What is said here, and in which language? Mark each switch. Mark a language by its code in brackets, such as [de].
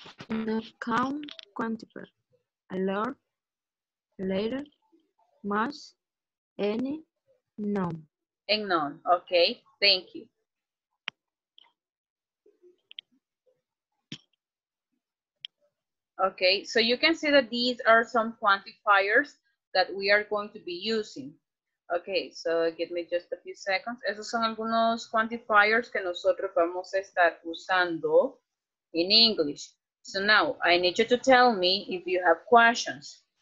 [en] No count, quantifier. A lot, later, much, any, none. And none. Okay, thank you. Okay, so you can see that these are some quantifiers that we are going to be using. Okay, so give me just a few seconds. [es] Esos son algunos quantifiers que nosotros vamos a estar usando [en] in English. So now, I need you to tell me if you have questions.